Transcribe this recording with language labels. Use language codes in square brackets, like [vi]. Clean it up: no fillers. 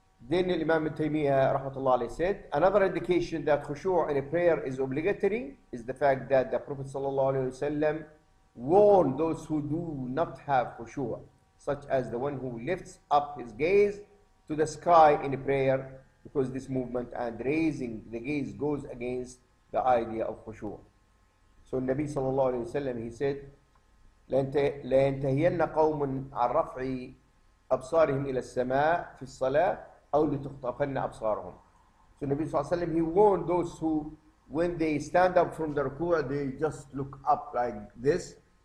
[en] Then Imam Taymiyyah rahmatullah alayhi said, another indication that khushu' in a prayer is obligatory is the fact that the Prophet sallallahu alayhi wasallam warned those who do not have khushu', such as the one who lifts up his gaze to the sky in a prayer, because this movement and raising the gaze goes against the idea of khushu'. So Nabi sallallahu alayhi wasallam, he said, [ar] لَيَنْتَهِيَنَّ قَوْمٌ عَنْ رَفْعِ أَبْصَارِهِمْ إِلَى السَّمَاءِ فِي الصَّلَاةِ أَوْ لِتُخْطَفَنَّ أَبْصَارُهُمْ. [en] So Nabi sallallahu alayhi wasallam, he warned those who, when they stand up from the ruku', they just look up like this,